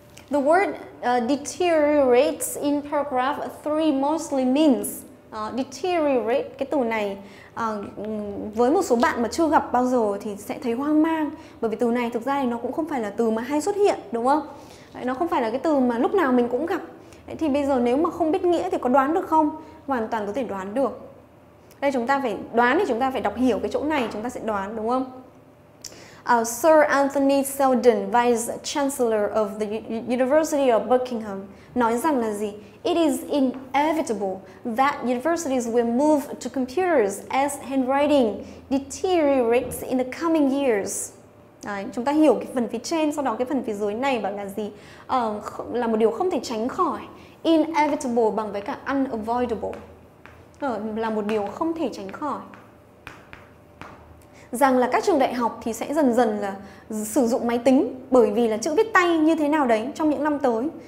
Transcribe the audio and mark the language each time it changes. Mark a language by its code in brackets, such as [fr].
[en] The word deteriorates in paragraph 3 mostly means deteriorate. [vi] Cái từ này với một số bạn mà chưa gặp bao giờ thì sẽ thấy hoang mang, bởi vì từ này thực ra thì nó cũng không phải là từ mà hay xuất hiện, đúng không? Đấy, nó không phải là cái từ mà lúc nào mình cũng gặp. Đấy, thì bây giờ nếu mà không biết nghĩa thì có đoán được không? Hoàn toàn có thể đoán được. Đây chúng ta phải đoán, thì chúng ta phải đọc hiểu cái chỗ này chúng ta sẽ đoán, đúng không? Sir Anthony Seldon, Vice Chancellor of the University of Buckingham, nói rằng là gì? [en] It is inevitable that universities will move to computers as handwriting deteriorates in the coming years. [vi] Đấy, chúng ta hiểu cái phần phía trên, sau đó cái phần phía dưới này bằng là gì? Là một điều không thể tránh khỏi. Inevitable bằng với cả unavoidable. Là một điều không thể tránh khỏi. Rằng là các trường đại học thì sẽ dần dần là sử dụng máy tính, bởi vì là chữ viết tay như thế nào đấy trong những năm tới.